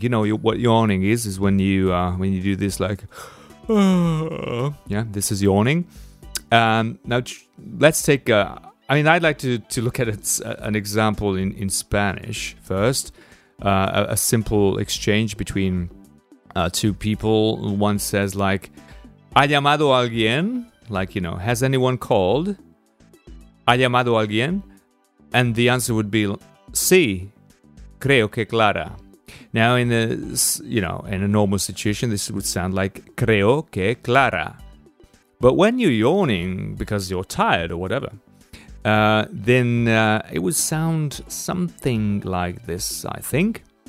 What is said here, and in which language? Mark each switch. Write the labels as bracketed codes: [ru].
[en] You know what yawning is when you do this, like, yeah, this is yawning. Now, let's take, I'd like to look at an example in Spanish first. A simple exchange between two people. One says, like, [es] ¿Ha llamado alguien? [en] Like, you know, has anyone called? [es] ¿Ha llamado alguien? [en] And the answer would be, [es] sí, creo que Clara. [en] Now, in a, you know, in a normal situation, this would sound like, [es] creo que Clara. [en] But when you're yawning because you're tired or whatever, then it would sound something like this, I think.